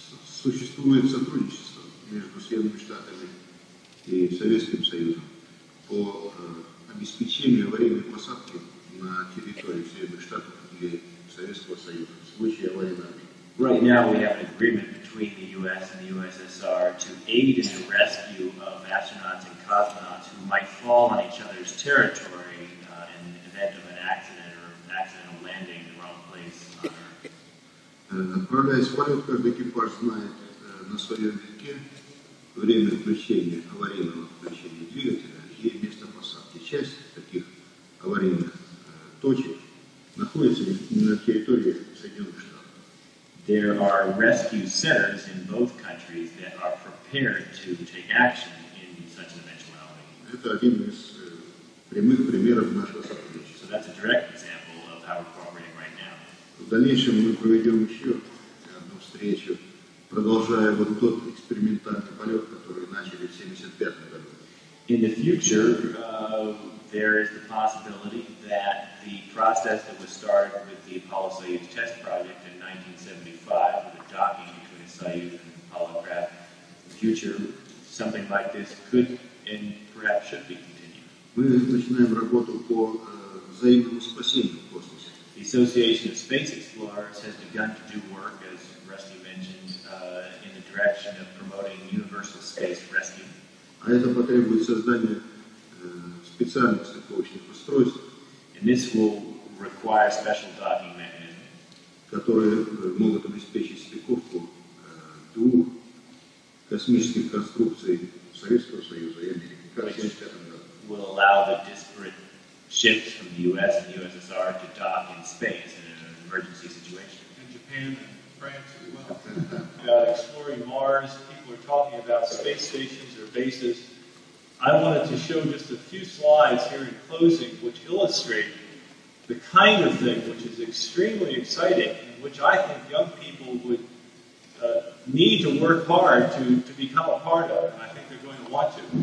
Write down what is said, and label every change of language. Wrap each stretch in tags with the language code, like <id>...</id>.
<ru>Существует сотрудничество между Соединенными Штатами и Советским Союзом по обеспечению аварийной посадки на территории Соединенных Штатов или Советского Союза в случае аварийной.</ru> <en>Right now we have an agreement between the U.S. and the USSR to aid in the rescue of astronauts and cosmonauts who might fall on each other's territory in the event of an accident or an accidental landing in the wrong place.</en> <ru>Отправляясь в полет, каждый экипаж знает на своем языке время включения, аварийного включения двигателя и место посадки. Часть таких аварийных точек находится на территории Соединенных Штатов.</ru> <en>There are rescue centers in both countries that are prepared to take action in such an eventuality.</en> <ru>Это один из прямых примеров нашего сотрудничества.</ru> <en>So that's a direct example of how we're cooperating right now.</en> <ru>В дальнейшем мы проведем еще одну встречу, продолжая вот тот экспериментальный полет, который начали в 75 году.</ru> <en>In the future, there is the possibility that the process that was started with the Apollo-Soyuz test project in 1975, with the docking between a Soyuz and an Apollo craft, in the future, something like this could and perhaps should be continued.</en> <ru>Мы начинаем работу по взаимному спасению в космосе.</ru> <en>The Association of Space Explorers has begun to do work, as Rusty mentioned, in the direction of promoting universal space rescue.</en> <ru>А это потребует создания специальных стыковочных устройств.</ru> <en>And this will require special docking mechanisms.</en> <ru>Которые могут обеспечить стыковку двух космических конструкций Советского Союза и Америки.</ru> <en>Will allow the disparate ships from the U.S. and the USSR to dock in space in an emergency situation. And Japan and France as well. About exploring Mars, people are talking about space stations or bases. I wanted to show just a few slides here in closing which illustrate the kind of thing which is extremely exciting and which I think young people would need to work hard to become a part of, and I think they're going to want to.</en>